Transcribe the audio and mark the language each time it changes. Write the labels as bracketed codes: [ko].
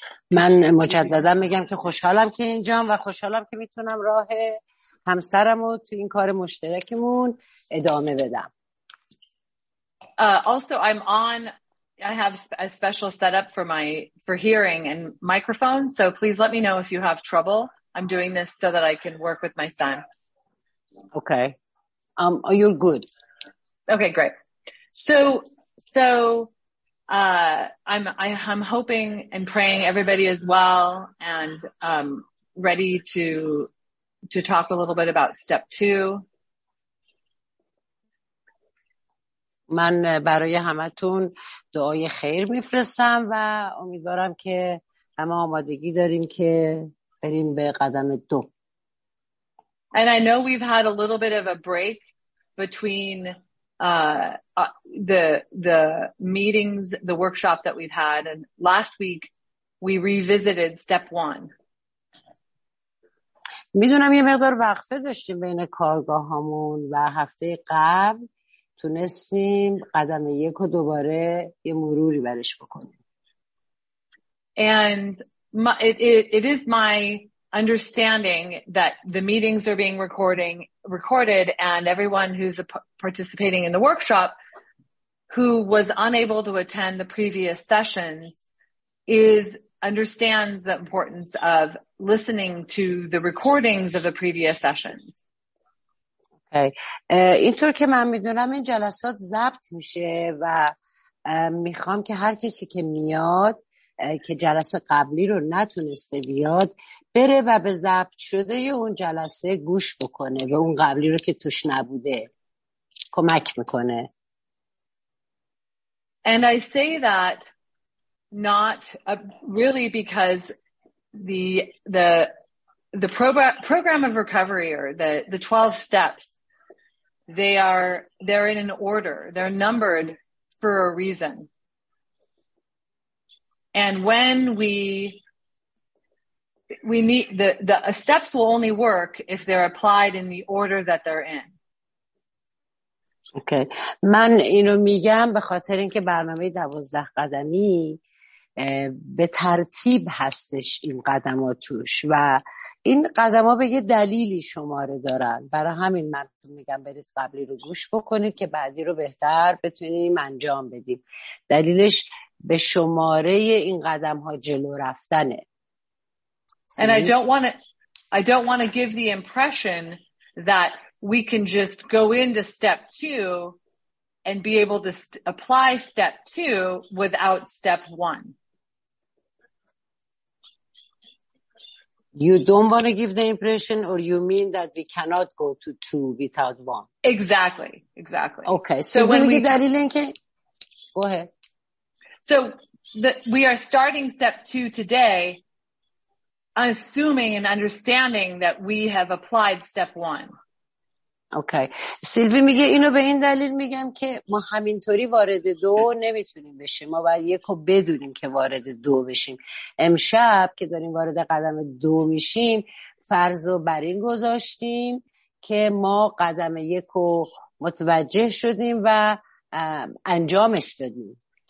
[fa] من مجددا میگم که خوشحالم که اینجام و خوشحالم که میتونم راه همسرم رو تو این کار مشترکمون ادامه بدم. [en] Also I'm on, I have a special setup for hearing and microphone, so please let me know if you have trouble. I'm doing this so that I can work with my son. Okay. You're good. Okay, great. So I'm hoping and praying everybody is well and ready to talk a little bit about step two. [fa] من برای همتون دعای خیر میفرستم و امیدوارم که همه آمادگی داریم که بریم به قدم دو. [en] And I know we've had a little bit of a break between the meetings, the workshop that we've had, and last week we revisited step one. [fa] میدونم یه مقدار وقفه داشتیم بین کارگاهامون و هفته قبل تونستیم قدم یک و دوباره یه مروری برش بکنیم. [en] And it is my understanding that the meetings are being recorded and everyone who's participating in the workshop who was unable to attend the previous sessions understands the importance of listening to the recordings of the previous sessions. Okay. [fa] اینطور که من میدونم این جلسات ضبط میشه و میخوام که هر کسی که میاد که جلسه قبلی رو نتونسته بیاد بره و به ضبط شده اون جلسه گوش بکنه و اون قبلی رو که توش نبوده کمک میکنه. [en] And I say that not really because the program of recovery or the 12 steps, they're in an order, they're numbered for a reason. And when we need the steps will only work if they're applied in the order that they're in. Okay. [fa] من اینو میگم به خاطر اینکه برنامه 12 قدمی به ترتیب هستش این قدم‌ها توش و این قدم‌ها به یه دلیلی شماره دارن، برای همین من میگم برید قبلی رو گوش بکنید که بعدی رو بهتر بتونیم انجام بدیم. دلیلش به شماره این قدم ها جلو رفتنه. [en] And I don't want I don't want to give the impression that we can just go into step two and be able to apply step two without step one. You don't want to give the impression, or you mean that we cannot go to two without one? Exactly, exactly. Okay, so when we... Go ahead. So we are starting step two today, assuming and understanding that we have applied step one. Okay okay. [fa] سیلوی میگه اینو به این دلیل میگم که ما همینطوری وارد دو نمیتونیم بشیم، ما باید یکو بدونیم که وارد دو بشیم. امشب که داریم وارد قدم دو میشیم، فرضو بر این گذاشتیم که ما قدم یکو متوجه شدیم و انجامش دادیم.